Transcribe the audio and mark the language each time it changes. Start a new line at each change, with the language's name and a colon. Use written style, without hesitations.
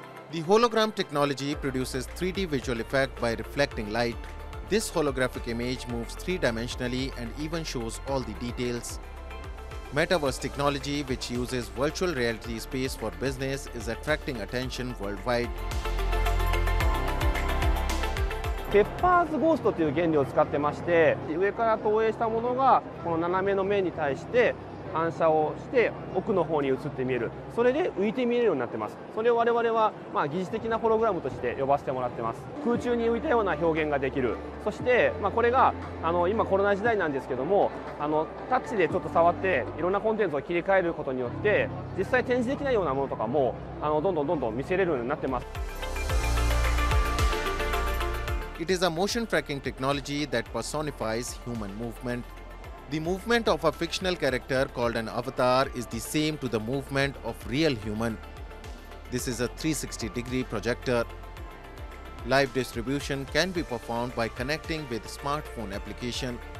English: The hologram technology produces 3D visual effect by reflecting light. This holographic image moves three-dimensionally and even shows all the details. Metaverse technology, which uses virtual reality space for business, is attracting attention worldwide.
Japanese: ペッパーズゴーストという原理を使ってまして、上から投影したものがこの斜めの面に対して反射をして奥の方に移って見える。それで浮いて見えるようになってます。それを我々はまあ擬似的なホログラムとして呼ばせてもらってます。空中に浮いたような表現ができる。そしてまあこれが今コロナ時代なんですけども、タッチでちょっと触っていろんなコンテンツを切り替えることによって実際展示できないようなものとかもどんどん見せれるようになってます。
English: It is a motion tracking technology that personifies human movement. The movement of a fictional character called an avatar is the same to the movement of real human. This is a 360-degree projector. Live distribution can be performed by connecting with smartphone application.